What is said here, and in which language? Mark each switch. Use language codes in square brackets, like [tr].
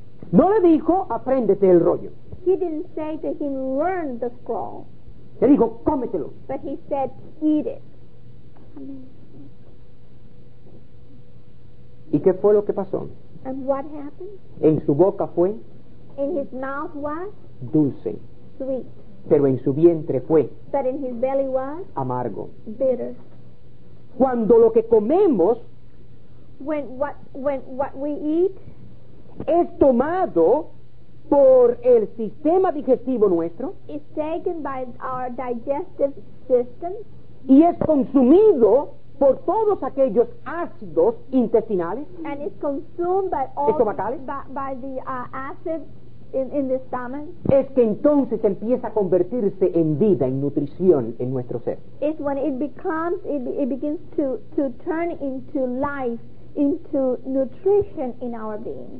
[es] No le dijo, apréndete el rollo. [en] He didn't say to him, learn the scroll. [es] Le dijo, cómetelo. [en] But he said, eat it. [es] ¿Y qué fue lo que pasó? [en] And what happened? [es] En su boca fue. [en] In his mouth was. [es] Dulce. [en] Sweet. [es] pero en su vientre fue [en] but in his belly was [es] amargo [en] bitter. [es] Cuando lo que comemos [en] when what we eat [es] es tomado por el sistema digestivo nuestro [en] is taken by our digestive system [es] y es consumido por todos aquellos ácidos intestinales [en] and is consumed by all [es] estomacales [en] by the acid in the stomach [es] es que entonces empieza a convertirse en vida, en nutrición en nuestro ser [en] is when it begins to turn into life into nutrition in our being.